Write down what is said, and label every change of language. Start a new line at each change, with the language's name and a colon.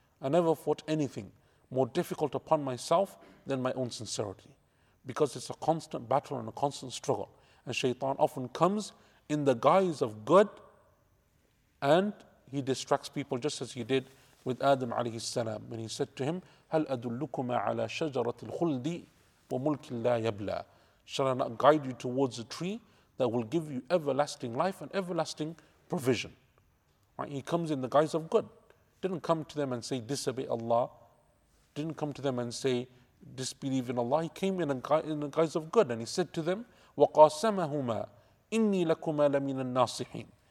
English: I never fought anything more difficult upon myself than my own sincerity. Because it's a constant battle and a constant struggle. And shaitan often comes in the guise of good and he distracts people just as he did with Adam alayhi salam. When he said to him,
Arabic: هَلْ أَدُلُّكُمَا عَلَى شَجَرَةِ الْخُلْدِ وَمُلْكِ لَا يَبْلَى.
English: Shall I not guide you towards a tree that will give you everlasting life and everlasting provision? Right? He comes in the guise of good. Didn't come to them and say disobey Allah. Didn't come to them and say disbelieve in Allah. He came in the guise of good and he said to them,
Arabic: وَقَاسَمَهُمَا إِنِّي لَكُمَا لَمِنَ النَّاصِحِينَ.